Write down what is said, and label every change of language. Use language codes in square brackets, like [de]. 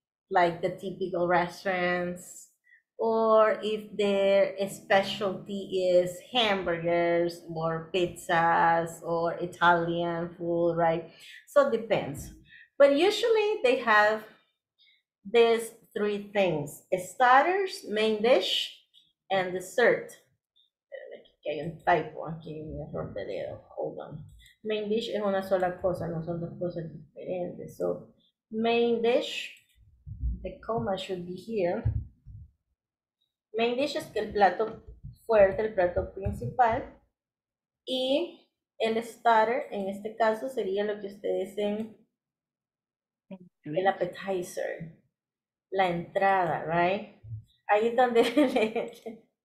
[en] Like the typical restaurants. Or if their specialty is hamburgers or pizzas or Italian food, right? So it depends. But usually they have these three things: starters, main dish, and dessert. [es] Que hay un typo aquí, un error de dedo. [en] Hold on. Main dish [es] es una sola cosa, no son dos cosas diferentes. [en] So, main dish, the comma should be here. [es] Main dish es que el plato fuerte, el plato principal. Y el starter, en este caso, sería lo que ustedes dicen: el appetizer. La entrada, [en] right? [es] Ahí es donde le.